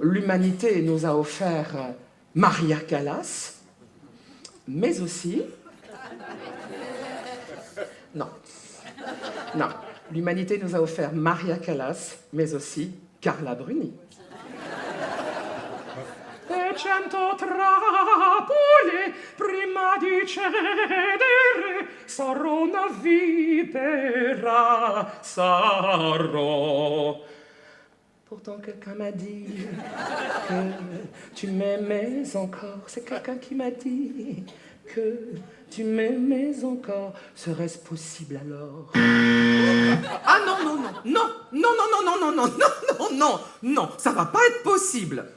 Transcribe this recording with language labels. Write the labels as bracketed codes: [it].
[fr] L'humanité nous a offert Maria Callas, mais aussi... Non. Non. L'humanité nous a offert Maria Callas, mais aussi Carla Bruni. [it] E cento trappole prima di cedere sarò una vipera, sarò. [fr] Pourtant, quelqu'un m'a dit que tu m'aimais encore. C'est quelqu'un qui m'a dit que tu m'aimais encore. Serait-ce possible alors? Ah non, non, non, non, non, non, non, non, non, non, non, non, non, non, non, ça va pas être possible.